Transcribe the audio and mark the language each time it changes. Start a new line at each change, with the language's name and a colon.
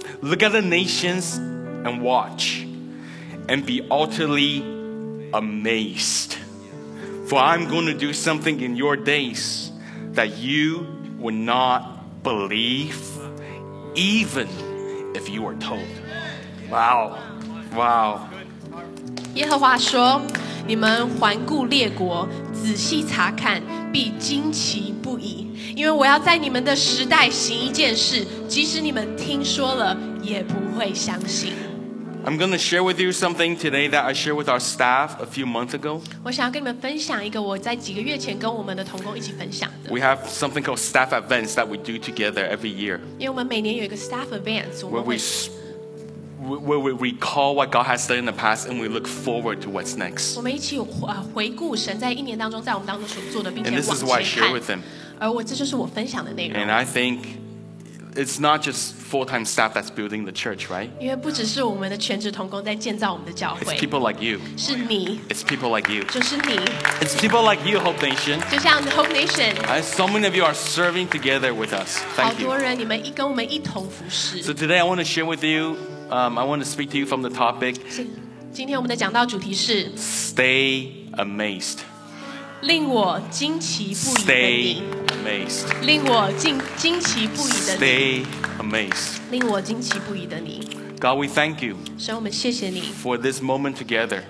English: Look at the nations and watch, and be utterly amazed. For I'm going to do something in your days that you would not believe, even if you were told. Wow. Wow.
Chinese: 耶和华说，你们环顾列国，仔细查看，必惊奇不已。因为我要在你们的时代行一件事，即使你们听说了，也不会相信。
English: I'm going to share with you something today that I shared with our staff a few months ago.
Chinese: 我想要跟你们分享一个我在几个月前跟我们的同工一起分享的。
English: We have something called staff events that we do together every year.
Chinese: 因为我们每年有一个
English: staff events, where we recall what God has done in the past and we look forward to what's next.
Chinese: 我们一起回顾神在一年当中在我们当中所做的，并且往前看。
English: And this is what I share with them.
Chinese: 而我这就是我分享的内容。
English: And I think it's not just full-time staff that's building the church, right?
Chinese: 因为不只是我们的全职同工在建造我们的教会。
English: It's people like you.
Chinese: 是你。
English: It's people like you.
Chinese: 就是你。
English: It's people like you, Hope Nation.
Chinese: 就像 Hope Nation.
English: And so many of you are serving together with us. Thank you.
Chinese: 好多人，你们一跟我们一同服侍。
English: So today I want to share with you, I want to speak to you from the topic.
Chinese: 今天我们的讲道主题是
English: Stay amazed.
Chinese: 令我惊奇不已的你。
English: Amazed.
Chinese: 令我惊奇不已的你。
English: Stay amazed.
Chinese: 令我惊奇不已的你。
English: God, we thank you.
Chinese: 神，我们谢谢你。
English: For this moment together.